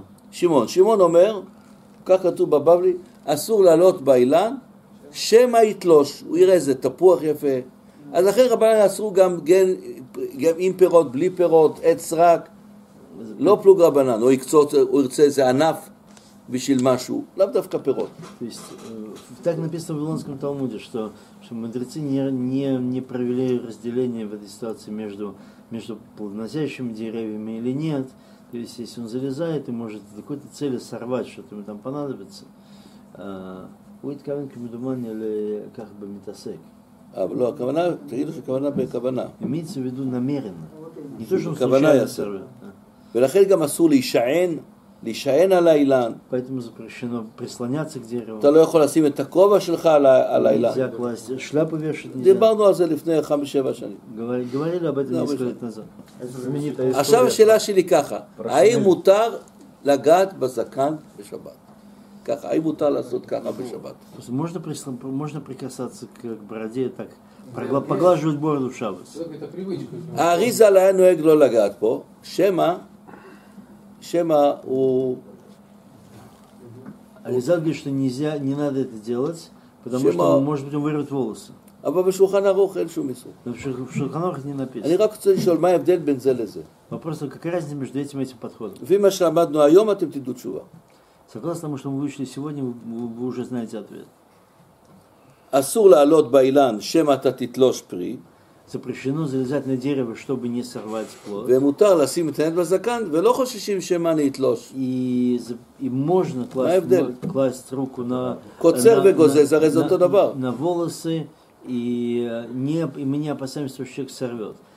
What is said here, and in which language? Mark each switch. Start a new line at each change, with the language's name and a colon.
Hebrew: שמעון. שמעון אומר, כך כתוב בבבלי, אסור לעלות באילן, שמה יתלוש, הוא יראה איזה תפוח יפה. אז אחרי רבנן אסרו גם גן, גם עם פירות, בלי פירות, עץ רק. לא פלוג רבנן, הוא יקצוץ, הוא ירצה איזה ענף. בשביל משהו, לאו דווקא פירות.
Russian: так написано в Вавилонском Талмуде, что мудрецы не провели разделение в этой ситуации между плодоносящими деревьями или нет. То есть, если он залезает и может какой-то цели сорвать, что-то ему там понадобится, будет
Hebrew: кавен кимедуман
Russian: или как бы метасек. А, ну, а кавана, ты видишь,
Hebrew: кавана бе кавана.
Russian: Имеется в виду намеренно. Не то, что он случайно сорвет.
Hebrew: ולכן גם אסור להישען להישען על האילן.
Russian: поэтому запрещено прислоняться к дереву.
Hebrew: אתה לא יכול לשים את הכובע שלך על האילן.
Russian: нельзя класть шляпу вешать.
Hebrew: דיברנו על זה לפני 5-7 שנים.
Russian: говорили об этом несколько лет назад.
Hebrew: עכשיו השאלה שלי ככה, האם מותר לגעת בזקן בשבת? ככה, האם מותר לעשות ככה בשבת?
Russian: можно прикасаться к бороде так, поглаживать бороду в шаббат.
Hebrew: האריז"ל לא נוהג לא לגעת פה, שמה? שמה הוא... אריזל גיש שנזיה, נינד את הדלת, פדמוש לא ממש פתאום וירות וולוסה. אבל בשולחן ארוך אין שום איסור. בשולחן ארוך אין נפיס. אני רק רוצה לשאול מה ההבדל בין זה לזה.
Russian: вопросы, как разница между этим и этим подходом?
Hebrew: ואם מה שלמדנו היום, אתם תדעו תשובה.
Russian: согласно тому, что мы вышли сегодня, вы уже знаете ответ.
Hebrew: אסור לעלות באילן, שמה אתה תתלוש פרי.
Russian: запрещено залезать на дерево, чтобы не сорвать плод.
Hebrew: ומותר לשים את הנד בזקן, ולא חוששים שמה להתלוש.
Russian: и можно класть руку на...
Hebrew: קוצר וגוזז, הרי זה אותו דבר.
Russian: на волосы, и мы не опасаемся, что человек сорвет.